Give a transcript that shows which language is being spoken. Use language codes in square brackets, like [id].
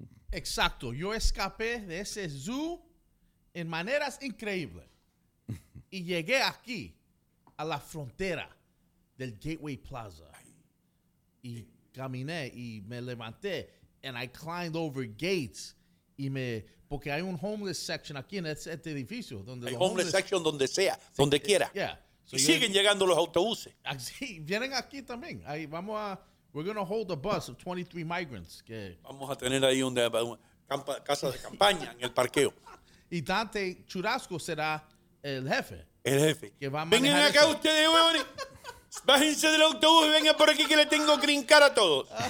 [es] Exacto. Yo escapé de ese zoo en maneras increíbles y llegué aquí a la frontera del Gateway Plaza y caminé y me levanté [en] and I climbed over gates [es] y me... Porque hay un homeless section aquí en este edificio. Donde hay homeless section donde sea, sí, donde quiera. Yeah. So y siguen llegando los autobuses. Así, vienen aquí también. Ahí, vamos a... [en] We're going to hold a bus of 23 migrants. [es] Que vamos a tener ahí una casa de campaña en el parqueo. y Dante Churrasco será el jefe. El jefe. Que va a manejar. Vengan acá ustedes, huevones. Bájense del autobús y vengan por aquí que le tengo que brincar a todos.